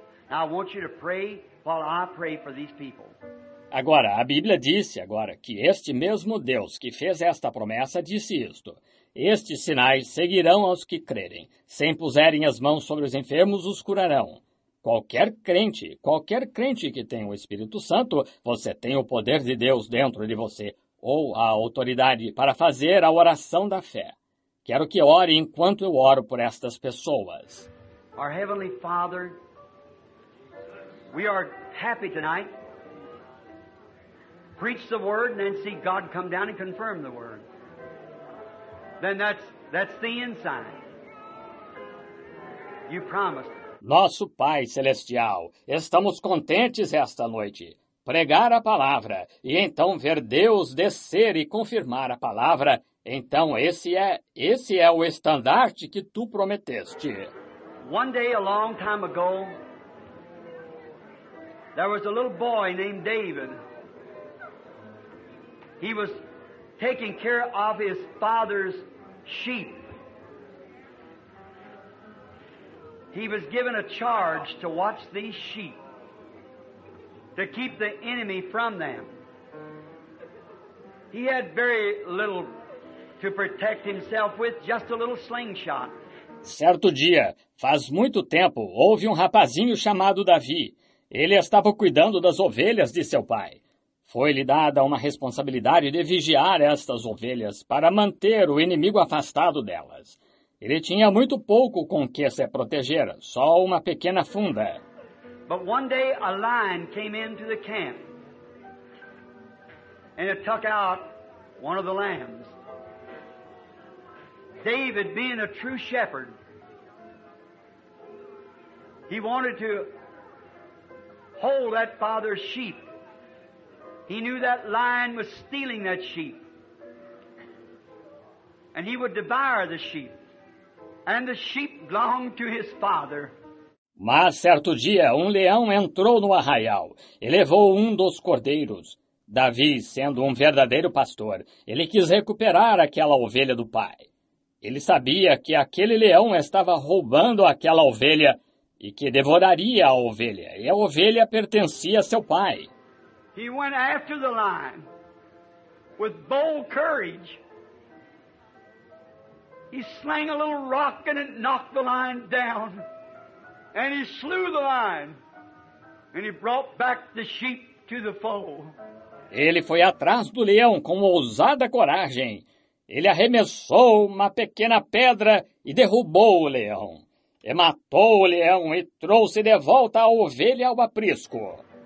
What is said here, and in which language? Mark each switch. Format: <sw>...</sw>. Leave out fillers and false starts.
<en>Now I want you to pray while I pray for these people.</en> <pt>Agora, a Bíblia disse agora que este mesmo Deus que fez esta promessa disse isto. Estes sinais seguirão aos que crerem. Se impuserem as mãos sobre os enfermos, os curarão. Qualquer crente que tenha o Espírito Santo, você tem o poder de Deus dentro de você, ou a autoridade para fazer a oração da fé. Quero que ore enquanto eu oro por estas pessoas.</pt> <en>Our Heavenly Father, we are happy tonight. Preach the word and then see God come down and confirm the word. Then that's the inside. You promised.</en> <pt>Nosso Pai Celestial, estamos contentes esta noite. Pregar a palavra e então ver Deus descer e confirmar a palavra. Então esse é o estandarte que tu prometeste.</pt> <en>One day, a long time ago, there was a little boy named David. He was taking care of his father's sheep. He was given a charge to watch these sheep, to keep the enemy from them. He had very little to protect himself with, just a little slingshot.</en> <pt>Certo dia, faz muito tempo, houve um rapazinho chamado Davi. Ele estava cuidando das ovelhas de seu pai. Foi-lhe dada uma responsabilidade de vigiar estas ovelhas para manter o inimigo afastado delas. Ele tinha muito pouco com que se proteger, só uma pequena funda.</pt> <en>But one day a lion came into the camp and it took out one of the lambs. David, being a true shepherd, he wanted to hold that father's sheep. He knew that lion was stealing that sheep. And he would devour the sheep. And the sheep belonged to his father.</en> <pt>Mas certo dia, um leão entrou no arraial e levou um dos cordeiros. Davi, sendo um verdadeiro pastor, ele quis recuperar aquela ovelha do pai. Ele sabia que aquele leão estava roubando aquela ovelha e que devoraria a ovelha, e a ovelha pertencia a seu pai.</pt> <en>He went after the lion with bold courage. He slung a little rock and it knocked the lion down. And he slew the lion. And he brought back the sheep to the fold.</en> <pt>Ele foi atrás do leão com ousada coragem. Ele arremessou uma pequena pedra e derrubou o leão. E matou o leão e trouxe de volta a ovelha ao aprisco.</pt>